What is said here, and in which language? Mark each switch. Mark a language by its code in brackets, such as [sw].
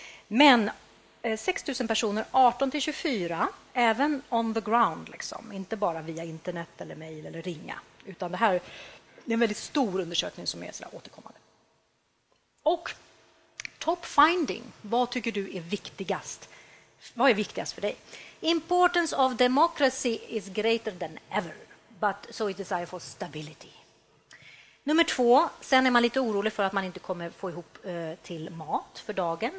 [sv] Men 6 000 personer, 18-24, även [en] on the ground, [sv] liksom, inte bara via internet eller mejl eller ringa, utan det här är en väldigt stor undersökning som är så där återkommande. Och [en] top finding, [sv] vad tycker du är viktigast? Vad är viktigast för dig? [en] Importance of democracy is greater than ever, but so is desire for stability. [sv] Nummer två, sen är man lite orolig för att man inte kommer få ihop till mat för dagen.